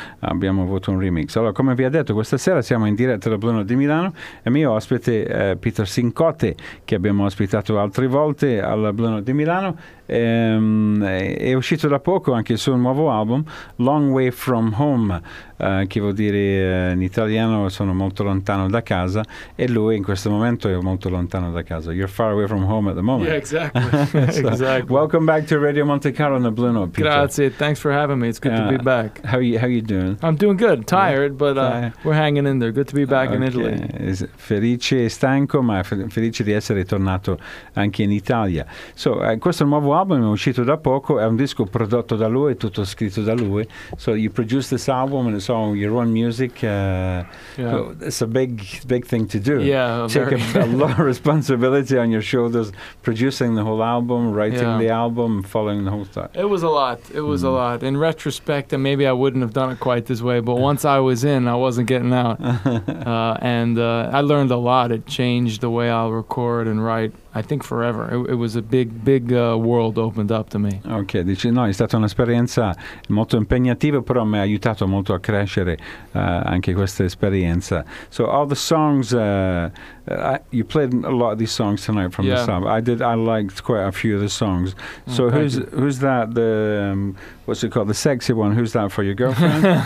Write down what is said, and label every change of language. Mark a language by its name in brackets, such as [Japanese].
[Italian] Abbiamo avuto un remix. Allora, come vi ho detto, questa sera siamo in diretta da Bruno di Milano e mio ospite Peter Sincote, che abbiamo ospitato altre volte al Bruno di Milano. È uscito da poco anche il suo nuovo album Long Way From Home, che vuol dire in italiano sono molto lontano da casa, e lui in questo momento è molto lontano da casa. [English] You're far away from home at the moment. Yeah, exactly. So, exactly. Welcome back to Radio Monte Carlo on the Blue Note, Peter. Grazie, thanks for having me. It's good to be back. How you doing? I'm doing good. Tired, but we're hanging in there. Good to be back in Italy. [Italian] Felice e stanco, ma felice di essere tornato anche in Italia. So, questo nuovo album è uscito da poco, è un disco prodotto da lui, tutto scritto da lui. [English] So you produced this album and it's all your own music. Yeah. So it's a big thing to do. Yeah, take a lot of responsibility on your shoulders, producing the whole album, writing the album, following the whole thing. It was a lot. It was a lot. In retrospect, and maybe I wouldn't have done it quite this way, but once I was in, I wasn't getting out. I learned a lot. It changed the way I'll record and write, I think forever. It was a big world opened up to me. [Italian] Ok, dice, no, è stata un'esperienza molto impegnativa, però mi ha aiutato molto a crescere anche questa esperienza. [English] So all the songs, you played a lot of these songs tonight from the song. I liked quite a few of the songs. So who's that, what's it called, the sexy one, who's that for your girlfriend?